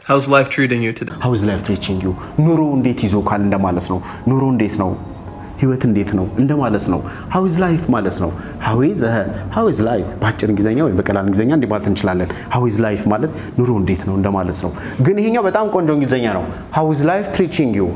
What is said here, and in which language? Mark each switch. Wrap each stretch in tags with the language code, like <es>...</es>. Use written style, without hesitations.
<en>How's life treating you today? How is life treating you?</en> <am>ኑሮ እንዴት ይዞካል እንደማለስ ነው። ኑሮ እንዴት ነው? ህይወት እንዴት ነው? እንደማለስ ነው።</am> <en>How is life</en> <am>ማለስ ነው።</am> <en>How is life?</en> <am>ባጭር እንግሊዘኛ ወይ በቀላል እንግሊዘኛ እንዴት ማለት እንችላለን?</am> <en>How is life</en> <am>ማለት ኑሮ እንዴት ነው እንደማለስ ነው። ግን ይሄኛው በጣም ቆንጆ እንግሊዘኛ ነው።</am> <en>How is life treating you?</en>